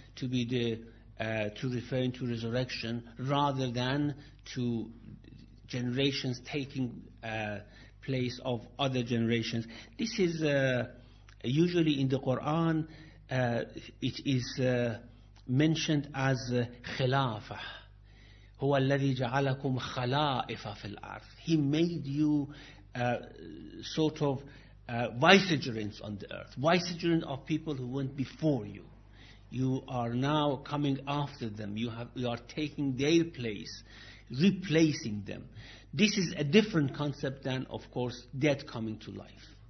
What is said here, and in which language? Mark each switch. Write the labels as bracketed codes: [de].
[en] to be the to referring to resurrection rather than to generations taking place of other generations. This is usually in the Quran, it is mentioned as khilafa. [ar] هو الذي جعلكم خلائف في الأرض. [en] He made you sort of vicegerents on the earth. Vicegerents of people who went before you. You are now coming after them. You are taking their place, replacing them. This is a different concept than, of course, dead coming to life.